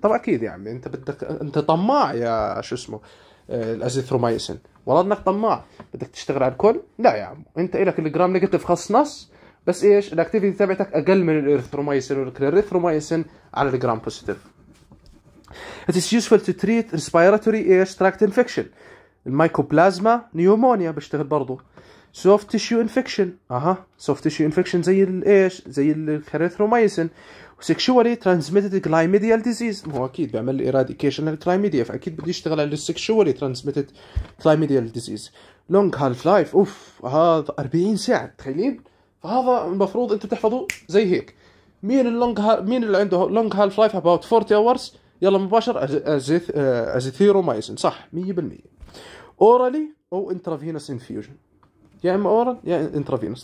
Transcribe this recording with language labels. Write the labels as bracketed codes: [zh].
[ar] طبعا اكيد يعني انت بدك، انت طماع يا شو اسمه الازيثروميسين، والله انك طماع بدك تشتغل على الكل. لا يا عم انت الك الجرام نيجاتيف خاص نص، بس ايش الاكتيفيتي تبعتك اقل من الارثروميسين والكريثروميسين على الجرام بوزيتيف. [en] It is useful to treat respiratory air tract infection المايكوبلازما pneumonia, [ar] بيشتغل برضو [en] soft tissue infection. [ar] soft tissue infection زي الايش؟ زي الكريثروميسين. [en] sexually transmitted chlamydial disease، [ar] هو اكيد بيعمل [en] eradication للكلايميديا [ar] فاكيد بده يشتغل على [en] sexually transmitted chlamydial disease. long half life، [ar] اوف هذا 40 ساعة تخيلين، فهذا المفروض انت تحفظه زي هيك. مين اللونج مين اللي عنده [en] long half life about 40 hours؟ [ar] يلا مباشر azithromycin صح 100%. [en] orally او intravenous infusion، [ar] يا اما [en] Oral يا intravenous.